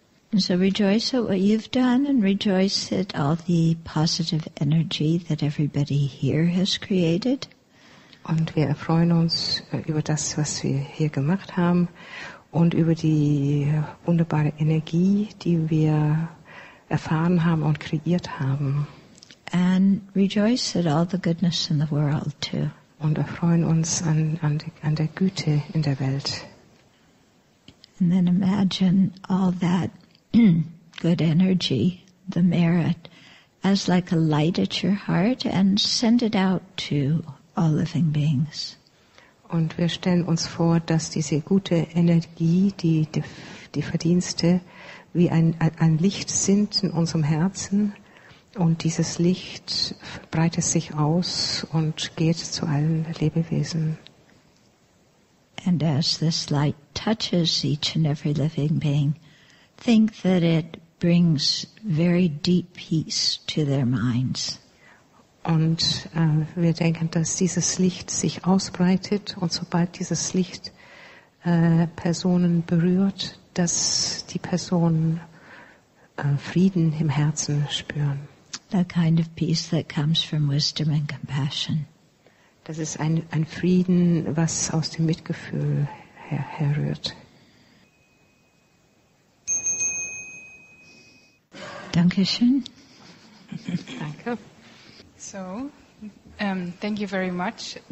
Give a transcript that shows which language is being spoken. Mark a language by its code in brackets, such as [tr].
[en] And so rejoice at what you've done and rejoice at all the positive energy that everybody here has created. [de] Und wir erfreuen uns über das, was wir hier gemacht haben und über die wunderbare Energie, die wir erfahren haben und kreiert haben. [en] And rejoice at all the goodness in the world too. [de] und erfreuen uns an der Güte in der Welt. [en] And then imagine all that good energy, the merit, as like a light at your heart and send it out to all living beings. [de] Und wir stellen uns vor, dass diese gute Energie, die Verdienste, wie ein Licht sind in unserem Herzen. Und dieses Licht breitet sich aus und geht zu allen Lebewesen. [en] And as this light touches each and every living being, think that it brings very deep peace to their minds. [de] Und wir denken, dass dieses Licht sich ausbreitet und sobald dieses Licht Personen berührt, dass die Personen Frieden im Herzen spüren. [en] The kind of peace that comes from wisdom and compassion. [de] Das ist ein Frieden, was aus dem Mitgefühl herrührt. Dankeschön. Danke. [en] So, thank you very much.